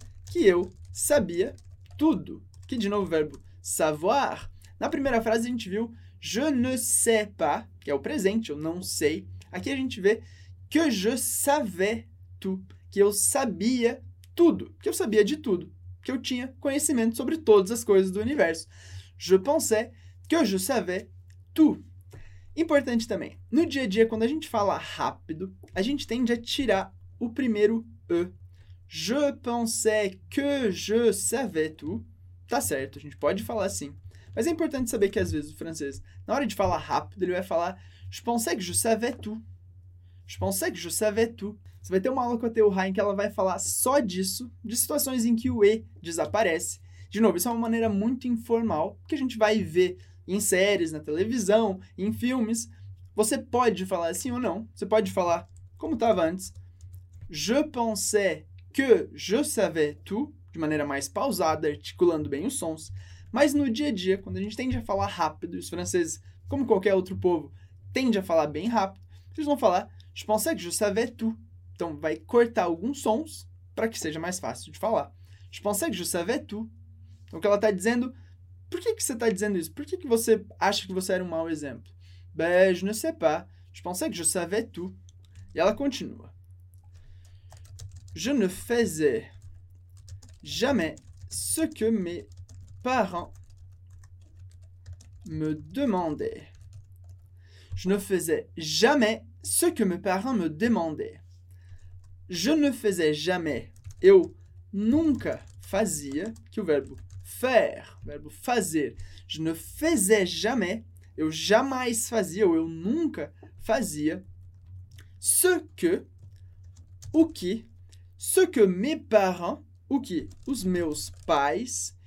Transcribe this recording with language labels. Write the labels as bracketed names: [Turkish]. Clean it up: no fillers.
[Portuguese] Que eu sabia tudo. Que, de novo, o verbo savoir. Na primeira frase, a gente viu [French] je ne sais pas, [Portuguese] que é o presente, eu não sei. Aqui a gente vê que [French] je savais tout. [Portuguese] Que eu sabia tudo. Que eu sabia de tudo. Que eu tinha conhecimento sobre todas as coisas do universo. [French] Je pensais que je savais tout. [Portuguese] Importante também, no dia a dia, quando a gente fala rápido, a gente tende a tirar o primeiro e. [French] Je pensais que je savais tout. [Portuguese] Tá certo, a gente pode falar assim. Mas é importante saber que às vezes o francês, na hora de falar rápido, ele vai falar [French] je pensais que je savais tout. Je pensais que je savais tout. [Portuguese] Você vai ter uma aula com a Théo Rhein que ela vai falar só disso, de situações em que o e desaparece. De novo, isso é uma maneira muito informal, que a gente vai ver em séries, na televisão, em filmes, você pode falar assim ou não. Você pode falar como estava antes. [French] Je pensais que je savais tout, [Portuguese] de maneira mais pausada, articulando bem os sons. Mas no dia a dia, quando a gente tende a falar rápido, os franceses, como qualquer outro povo, tende a falar bem rápido, eles vão falar [French] je pensais que je savais tout. [Portuguese] Então vai cortar alguns sons para que seja mais fácil de falar. [French] Je pensais que je savais tout. [Portuguese] Então o que ela está dizendo... Por que que você está dizendo isso? Por que que você acha que você era um mau exemplo? [French] Je ne sais pas. Je pensais que je savais tout. [Portuguese] E ela continua. [French] Je ne faisais jamais ce que mes parents me demandaient. Je ne faisais jamais ce que mes parents me demandaient. Je ne faisais jamais. [Portuguese] Eu nunca fazia, que o verbo faire, verbo fazer. [French] Je ne faisais jamais, [Portuguese] eu jamais fazia, ou eu nunca fazia, ce que, o que, [French] ce que mes parents, [Portuguese] o que, os meus pais.